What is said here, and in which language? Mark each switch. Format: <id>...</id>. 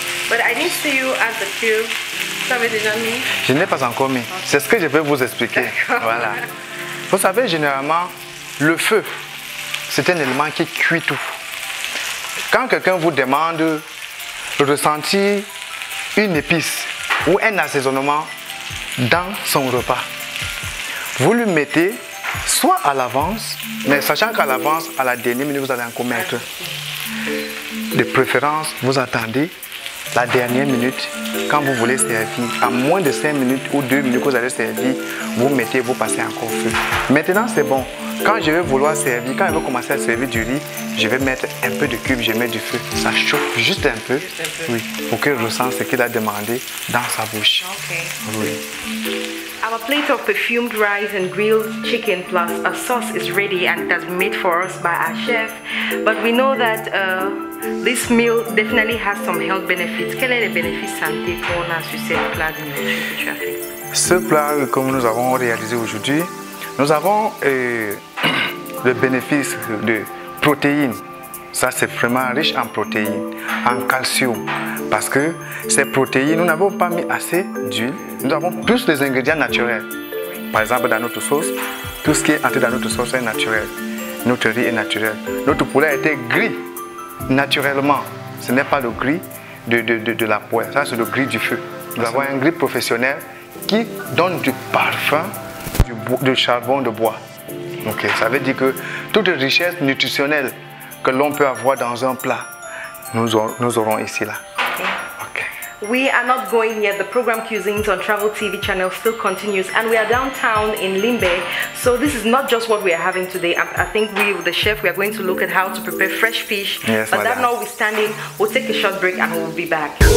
<en>But I didn't see you at the cube.</en> <fr>Vous savez déjà mis. Je n'ai pas encore mis. Okay. C'est ce que je vais vous expliquer. D'accord. Voilà. Vous savez généralement, le feu, c'est un élément qui cuit tout. Quand quelqu'un vous demande de ressentir une épice ou un assaisonnement dans son repas, vous lui mettez soit à l'avance, mais sachant qu'à l'avance, à la dernière minute, vous allez en commettre. De préférence, vous attendez la dernière minute quand vous voulez servir. À moins de 5 minutes ou 2 minutes que vous allez servir, vous mettez, vous passez encore feu. Maintenant, c'est bon. Quand je vais vouloir servir, quand je vais commencer à servir du riz, je vais mettre un peu de cube, je mets du feu. Ça chauffe juste un peu. Juste un peu. Oui, pour qu'il ressente ce qu'il a demandé dans sa bouche. Okay. Oui.</fr> <en>Our plate of perfumed rice and grilled chicken plus a sauce is ready and has been made for us by our chef. But we know that this meal definitely has some health benefits.</en> <fr>Quels sont les bénéfices santé qu'on a sur ce plat de nourriture que tu as fait? Ce plat que nous avons réalisé aujourd'hui, nous avons le bénéfice de protéines. Ça, c'est vraiment riche en protéines, en calcium. Parce que ces protéines, nous n'avons pas mis assez d'huile. Nous avons plus des ingrédients naturels. Par exemple, dans notre sauce, tout ce qui est entré dans notre sauce est naturel. Notre riz est naturel. Notre poulet a été gris naturellement. Ce n'est pas le gris de la poêle. Ça, c'est le gris du feu. Nous avons un gris professionnel qui donne du parfum du charbon de bois. Okay. Ça veut dire que toute richesse nutritionnelle que l'on peut avoir dans un plat, nous aurons ici là.</fr> <en>We are not going yet. The program Cuisines on Travel TV channel still continues and we are downtown in Limbe. So this is not just what we are having today. I think we, the chef, we are going to look at how to prepare fresh fish. Yes, but that notwithstanding, we'll take a short break and we'll be back.</en>